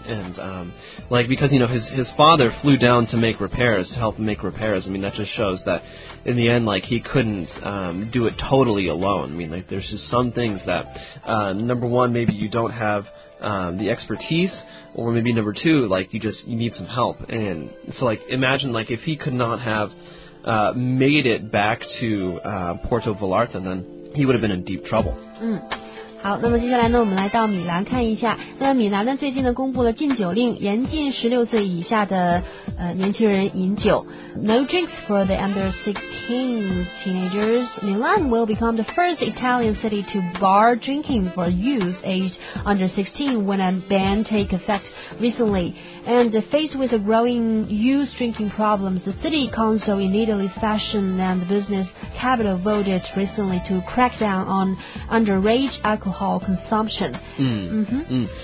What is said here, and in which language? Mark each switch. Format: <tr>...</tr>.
<en>And like, because, you know, his father flew down to make repairs, to help make repairs. I mean, that just shows that in the end, like, he couldn't do it totally alone. I mean, like, there's just some things that, number one, maybe you don't have the expertise, or maybe number two, like, you need some help. And so, like, imagine, like, if he could not have made it back to Porto Vallarta, then he would have been in deep trouble. Mm.</en> <zh>好，那么接下来呢，我们来到米兰看一下。那么米兰呢，最近呢公布了禁酒令，严禁16岁以下的年轻人饮酒。</zh> <en>No drinks for the under 16 teenagers. Milan will become the first Italian city to bar drinking for youth aged under 16 when a ban take effect recently. And faced with a growing youth drinking problems, the city council in Italy's fashion and business capital voted recently to crack down on underage alcohol consumption.</en>